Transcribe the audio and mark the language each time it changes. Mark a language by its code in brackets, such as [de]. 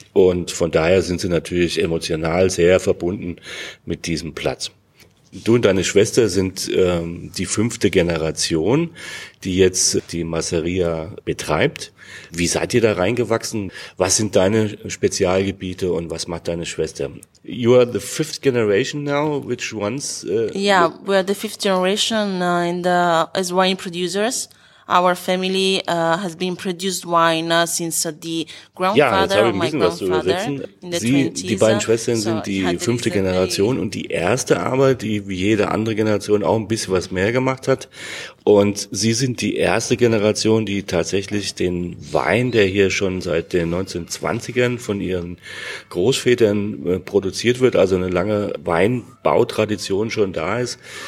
[de] Und von daher sind sie natürlich emotional sehr verbunden mit diesem Platz. Du und deine Schwester sind die fünfte Generation, die jetzt die Masseria betreibt. Wie seid ihr da reingewachsen? Was sind deine Spezialgebiete und was macht deine Schwester? [en] You are the fifth generation now, which ones? We are the fifth generation as wine producers. Our family has been produced wine since the grandfather, [de] jetzt habe ich ein bisschen was zu übersetzen. Die beiden Schwestern sind die fünfte Generation und die erste aber, die wie jede andere Generation auch ein bisschen was mehr gemacht hat. Und sie sind die erste Generation, die tatsächlich den Wein, der hier schon seit den 1920ern von ihren Großvätern produziert wird, also eine lange Weinbautradition schon da ist.